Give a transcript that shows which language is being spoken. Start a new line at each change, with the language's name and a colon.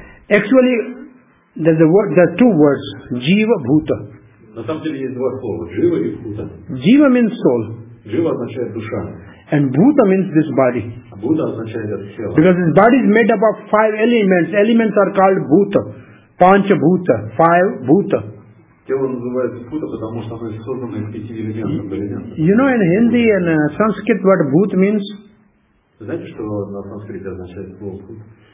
English: Actually, there's a word, there are two words, jiva bhuta.
Russian: На самом деле есть два слова, jiva и bhuta.
English: Jiva means soul.
Russian: Jiva означает душа.
English: And bhuta means this body.
Russian: Bhuta означает это тело.
English: Because this body is made up of five elements. Elements are called bhuta. Pancha bhuta. Five bhuta.
Russian: Тело называется bhuta, потому что оно создано из пяти элементов.
English: You know in Hindi and Sanskrit what bhuta means?
Russian: Знаете, что на санскрите означает слово bhuta?